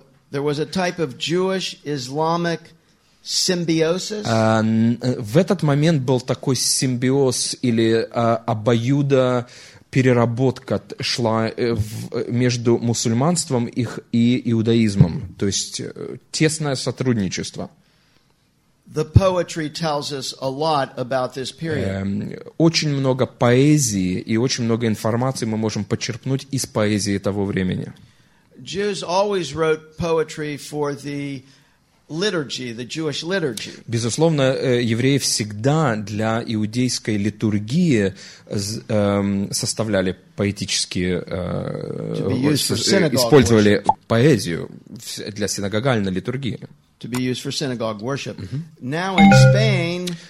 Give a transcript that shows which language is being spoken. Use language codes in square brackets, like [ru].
[en] There was a type of Jewish Islamic symbiosis. [ru] В этот момент был такой симбиоз или обоюда переработка шла между мусульманством и иудаизмом, то есть тесное сотрудничество. [en] The poetry tells us a lot about this period. [ru] Очень много поэзии и очень много информации мы можем почерпнуть из поэзии того времени. [en] Jews always wrote poetry for the liturgy, the Jewish liturgy. [ru] Безусловно, евреи всегда для иудейской литургии составляли поэтические, использовали поэзию для синагогальной литургии. [en] To be used for synagogue worship. Now in Spain.